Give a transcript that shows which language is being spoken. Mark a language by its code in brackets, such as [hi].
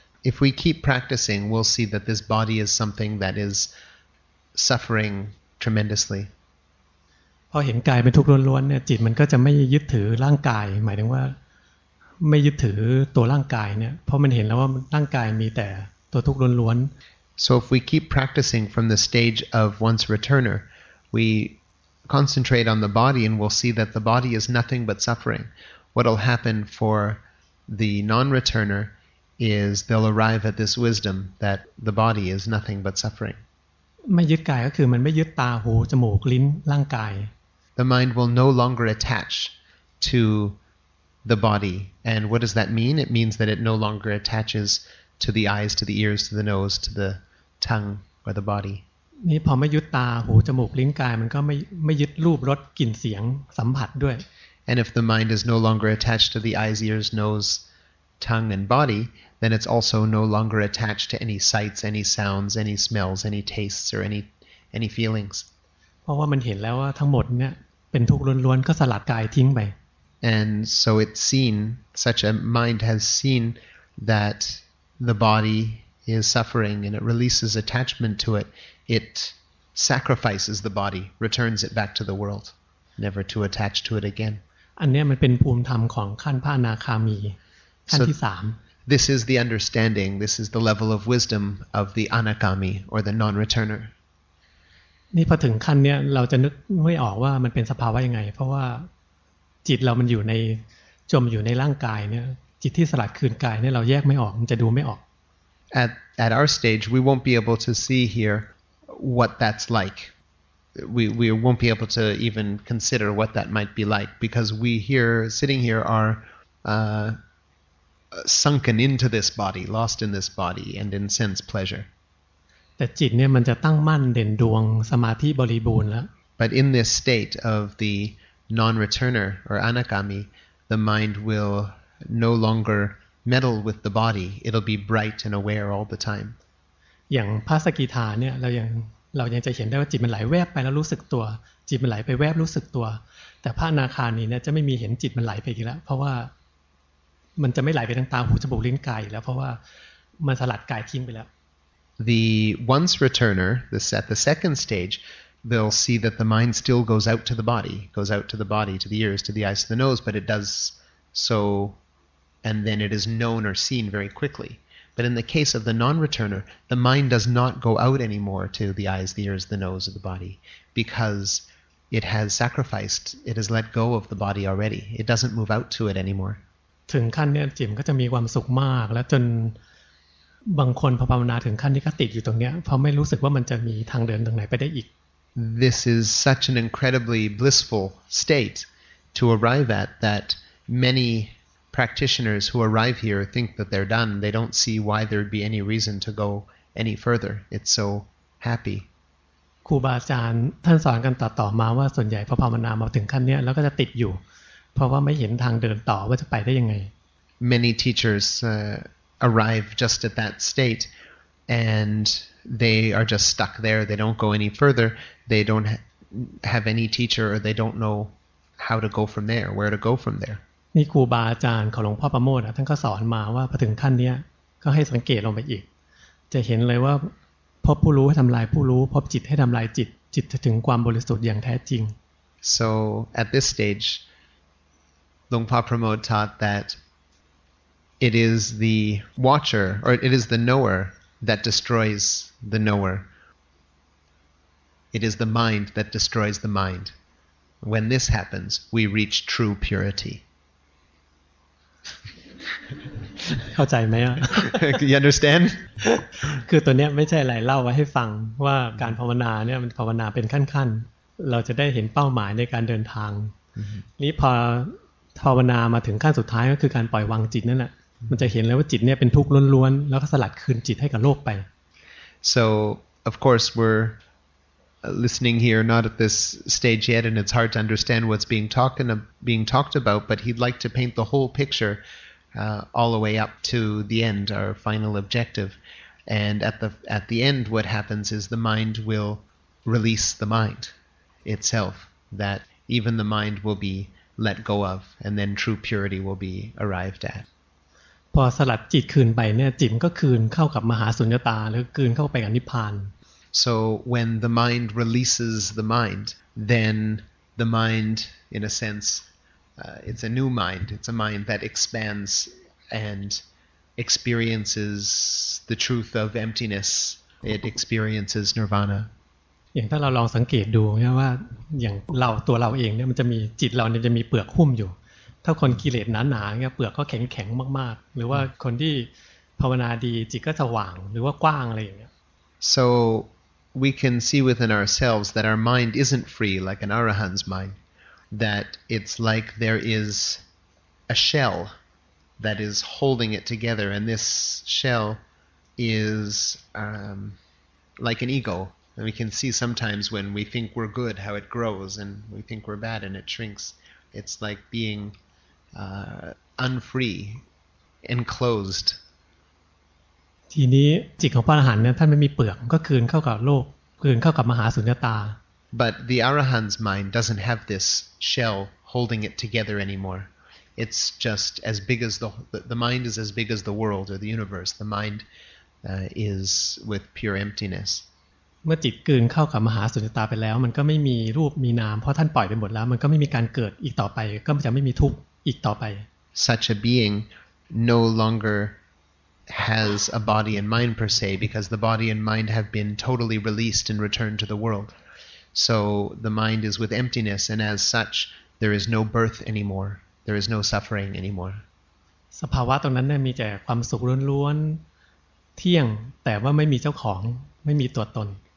[en] If we keep practicing, we'll see that this body is something that is suffering tremendously. [th] พอเห็นกายเป็นทุกข์ล้วนๆเนี่ยจิตมันก็จะไม่ยึดถือร่างกายหมายถึงว่าไม่ยึดถือตัวร่างกายเนี่ยเพราะมันเห็นแล้วว่าร่างกายมีแต่ตัวทุกข์ล้วน [en] ๆ So if we keep practicing from the stage of once returner we concentrate on the body and we'll see that the body is nothing but suffering what'll happen for the non-returner is they'll arrive at this wisdom that the body is nothing but suffering [th] ไม่ยึดกายก็คือมันไม่ยึดตาหูจมูกลิ้นร่างกาย [en] The mind will no longer attach to the body. And what does that mean? It means that it no longer attaches to the eyes, to the ears, to the nose, to the tongue, or the body. [th] นี่พอไม่ยึดตาหูจมูกลิ้นกายมันก็ไม่ยึดรูปรสกลิ่นเสียงสัมผัสด้วย [en] And if the mind is no longer attached to the eyes, ears, nose, tongue, and body,then it's also no longer attached to any sights, any sounds, any smells, any tastes, or any feelings. [th] เพราะว่ามันเห็นแล้วว่าทั้งหมดเนี่ยเป็นทุกข์ล้วนๆก็สลัดกายทิ้งไป [en] And so it's seen, such a mind has seen that the body is suffering and it releases attachment to it. It sacrifices the body, returns it back to the world, never to attach to it again. [th] อันนี้มันเป็นภูมิธรรมของขั้นพระอนาคามีขั้นที่สาม [en] This is the understanding, this is the level of wisdom of the Anagami, or the non-returner. [th] นี่พอถึงขั้นเนี้ยเราจะนึกไม่ออกว่ามันเป็นสภาวะยังไงเพราะว่าจิตเรามันอยู่ในจมอยู่ในร่างกายเนี้ย จิตที่สลัดคืนกายเนี่ยเราแยกไม่ออกมันจะดูไม่ออก [en] at our stage we won't be able to see here what that's like we won't be able to even consider what that might be like because we here sitting here are sunken into this body lost in this body and in sense pleasure [th] แต่จิตเนี่ยมันจะตั้งมั่นเด่นดวงสมาธิบริบูรณ์แล้ว [en] but in this state of the non-returner or anagami the mind willno longer meddle with the body it'll be bright and aware all the time [th] อย่างพระสกิทาเนี่ยเรายังจะเห็นได้ว่าจิตมันไหลแวบไปแล้วรู้สึกตัวจิตมันไหลไปแวบรู้สึกตัวแต่พระอนาคามีเนี่ยจะไม่มีเห็นจิตมันไหลไปอีกแล้วเพราะว่ามันจะไม่ไหลไปทางตาหูจมูกลิ้นกายอีกแล้วเพราะว่ามันสลัดกายทิ้งไปแล้ว [en] the once returner the set the second stageThey'll see that the mind still goes out to the body, to the ears, to the eyes, to the nose, but it does so, and then it is known or seen very quickly. But in the case of the non-returner, the mind does not go out anymore to the eyes, the ears, the nose, or the body, because it has sacrificed, it has let go of the body already. It doesn't move out to it anymore. [th] ถึงขั้นเนี่ยจิตก็จะมีความสุขมากและจนบางคนพอภาวนาถึงขั้นที่ก็ติดอยู่ตรงเนี้ยเพราะไม่รู้สึกว่ามันจะมีทางเดินตรงไหนไปได้อีก [en] This is such an incredibly blissful state to arrive at that many practitioners who arrive here think that they're done. They don't see why there'd be any reason to go any further. It's so happy. [th] ครูบาอาจารย์ท่านสอนกันต่อๆมาว่าส่วนใหญ่พอภาวนามาถึงขั้นนี้แล้วก็จะติดอยู่เพราะว่าไม่เห็นทางเดินต่อว่าจะไปได้ยังไง [en] Many teachers arrive just at that state. And they are just stuck there. They don't go any further. They don't have any teacher, or they don't know how to go from there, where to go from there. [th] นี่ครูบาอาจารย์ของหลวงพ่อประโมทท่านก็สอนมาว่าพอถึงขั้นนี้ก็ให้สังเกตลงไปอีกจะเห็นเลยว่าพบผู้รู้ให้ทำลายผู้รู้พบจิตให้ทำลายจิตจิตถึงความบริสุทธิ์อย่างแท้จริง [en] So at this stage, Longpa Pramod taught that it is the watcher or it is the knower. That destroys the knower. It is the mind that destroys the mind. When this happens, we reach true purity. [th] เข้าใจไหมอ่ะ [en] You understand? [th] คือตัวเนี้ยไม่ใช่อะไรเล่าไว้ให้ฟังว่าการภาวนาเนี่ยมันภาวนาเป็นขั้นๆเราจะได้เห็นเป้าหมายในการเดินทางนี้พอภาวนามาถึงขั้นสุดท้ายก็คือการปล่อยวางจิตนั่นแหละมันจะเห็นเลยว่าจิตเนี่ยเป็นทุกข์ล้วนๆแล้วก็สลัดคืนจิตให้กับโลกไป [en] So of course we're listening here not at this stage yet and it's hard to understand what's being talked about but he'd like to paint the whole picture all the way up to the end our final objective and at the end what happens is the mind will release the mind itself that even the mind will be let go of and then true purity will be arrived at [th] พอสลัดจิตคืนไปเนี่ยจิตก็คืนเข้ากับมหาสุญญตาหรือคืนเข้าไปกับนิพพาน [en] So when the mind releases the mind then the mind in a sense it's a new mind it's a mind that expands and experiences the truth of emptiness it experiences nirvana [th] อย่างถ้าเราลองสังเกตดูนะว่าอย่างเราตัวเราเองเนี่ยมันจะมีจิตเราเนี่ยจะมีเปลือกหุ้มอยู่ถ้าคนกิเลสหนาๆเงี้ยเปลือกก็แข็งๆมากๆหรือว่าคนที่ภาวนาดีจิตก็สว่างหรือว่ากว้างอะไรอย่างเงี้ย [en] So we can see within ourselves that our mind isn't free like an arahant's mind that it's like there is a shell that is holding it together and this shell is like an ego and we can see sometimes when we think we're good how it grows and we think we're bad and it shrinks it's like beingunfree enclosed [th] ทีนี้จิตของพระอรหันต์เนี่ยท่านไม่มีเปลือกก็คืนเข้ากับโลกคืนเข้ากับมหาสุญญตา [en] but the arahant's mind doesn't have this shell holding it together anymore it's just as big as the mind is as big as the world or the universe the mind is with pure emptiness [th] เมื่อจิตคืนเข้ากับมหาสุญญตาไปแล้วมันก็ไม่มีรูปมีนามเพราะท่านปล่อยไปหมดแล้วมันก็ไม่มีการเกิดอีกต่อไปก็จะไม่มีทุกข์ [en] Such a being no longer has a body and mind per se because the body and mind have been totally released and returned to the world. So the mind is with emptiness and as such there is no birth anymore. There is no suffering anymore. [th] สภาวะตรงนั้นเนี่ยมีแต่ความสุขล้วนๆเที่ยงแต่ว่าไม่มีเจ้าของไม่มีตัวตน